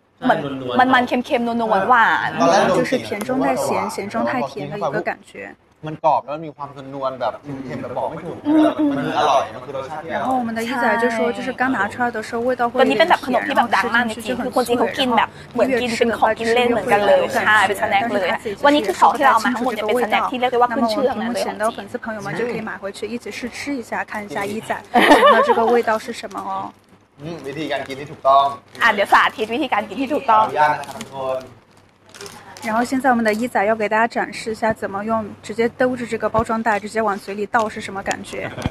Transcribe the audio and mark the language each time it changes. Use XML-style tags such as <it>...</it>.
<th>มันเค็มเค็มนุ่นนุ่นหวานหวาน</th> <zh>จะคือ 甜中带咸咸中带甜的一个感觉</zh> <th>มันกรอบแล้วมีความนุ่นแบบเค็มแบบบอกไม่ถูกมันคืออร่อยมันคือรสชาติที่อร่อย</th> <zh>然后我们的一仔就说就是刚拿出来的时候味道会</zh> <th>ตอนนี้เป็นแบบขนมที่แบบดังมากจริงๆคือคนจีนเขากินแบบเหมือนกินเป็นของกินเล่นเหมือนกันเลยใช่เป็นสแน็คเลยวันนี้คือของที่เราเอามาทั้งหมดจะเป็นสแน็คที่เรียกได้ว่าขึ้นชื่อของเราเลยของ เราเป็นสเปนเยอร์มาจะคือมาไปชิม 一起试吃一下看一下一仔那这个味道是什么哦วิธีการกินที่ถูกต้อง เดี๋ยวสาธิตวิธีการกินที่ถูกต้อง ขออนุญาตนะครับทุกคน</th> <zh>然后现在我们的一仔要给大家展示一下怎么用直接兜着这个包装袋直接往嘴里倒是什么感觉</zh>